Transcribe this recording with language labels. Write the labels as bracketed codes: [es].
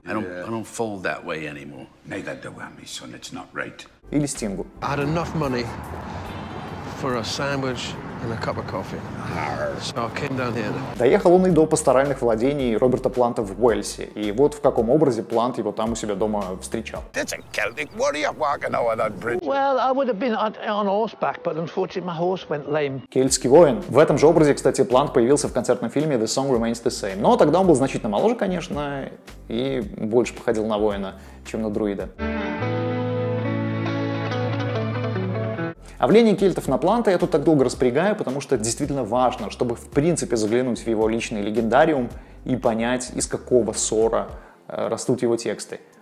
[en] I don't fold that way anymore. Neither do I, my son. It's not right. [ru] Или Стингу. [en] I had enough money for a sandwich and a cup of coffee. So I came down here. [ru] Доехал он и до пасторальных владений Роберта Планта в Уэльсе. И вот в каком образе Плант его там у себя дома встречал. [en] That's a Celtic warrior walking over that bridge. Well, I would have been on horseback, but unfortunately my horse went lame. [ru] Кельтский воин. В этом же образе, кстати, Плант появился в концертном фильме The Song Remains the Same. Но тогда он был значительно моложе, конечно, и больше походил на воина, чем на друида. А влияние кельтов на Планта я тут так долго распрягаю, потому что действительно важно, чтобы в принципе заглянуть в его личный легендариум и понять, из какого сора растут его тексты.